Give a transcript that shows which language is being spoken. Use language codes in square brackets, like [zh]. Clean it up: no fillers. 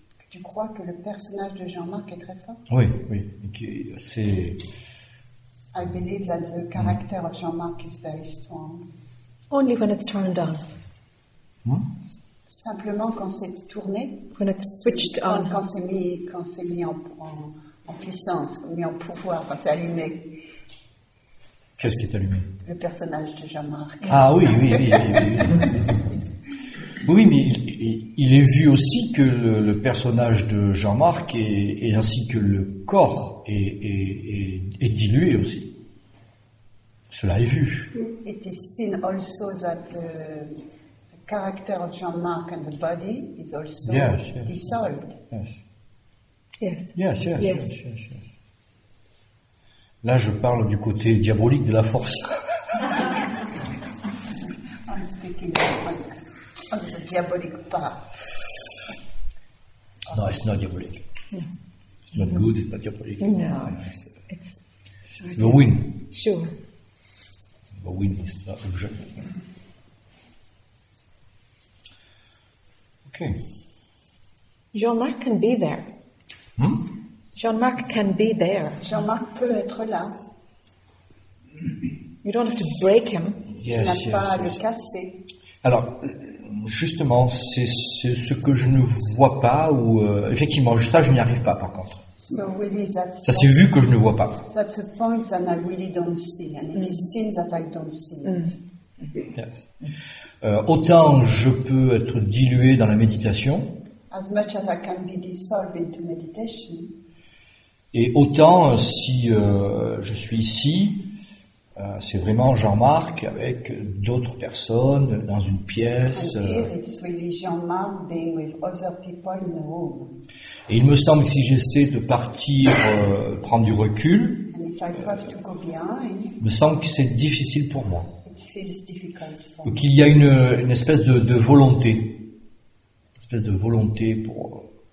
[fr] Tu crois que le personnage de Jean-Marc est très fort? Oui, oui. C'est. [en] I believe that the character of Jean-Marc is very strong. Only when it's turned on. [fr] Simplement quand c'est tourné, [en] when it's switched on. [fr] Quand c'est mis en puissance, mis en pouvoir, quand c'est allumé. Qu'est-ce qui est allumé? Le personnage de Jean-Marc. Ah oui, oui, oui, oui. Oui, mais il est vu aussi que le personnage de Jean-Marc est ainsi que le corps est dilué aussi. Cela est vu. [en] It is seen also that character of Jean-Marc and the body is also dissolved. Yes. [fr] Là, je parle du côté diabolique de la force. [en] I'm speaking of the diabolic part. No, it's not diabolic. No. It's not good, it's not diabolic. No, it's the win. Sure. The win is the object. Okay. Jean-Marc can be there. Jean-Marc can be there. [fr] Jean-Marc peut être là. [en] You don't have to break him. Yes, [fr] le casser. Alors, justement, c'est ce que je ne vois pas. Effectivement, ça, je n'y arrive pas, par contre. [en] So really that's [fr] ça, c'est vu que je ne vois pas. [en] That's a point that I really don't see. And it is seen that I don't see it. Yes. [fr] Autant je peux être dilué dans la méditation, [en] as much as I can be dissolved into meditation. [fr] Et autant si je suis ici, c'est vraiment Jean-Marc avec d'autres personnes dans une pièce. [en] And here it's really Jean-Marc being with other people in a room. [fr] Et il me semble que si j'essaie de partir, prendre du recul, [en] and if I have to go behind, [fr] me semble que c'est difficile pour moi. [en] Feels difficult for [fr] me. Qu'il y a une espèce de volonté. Une espèce de volonté pour.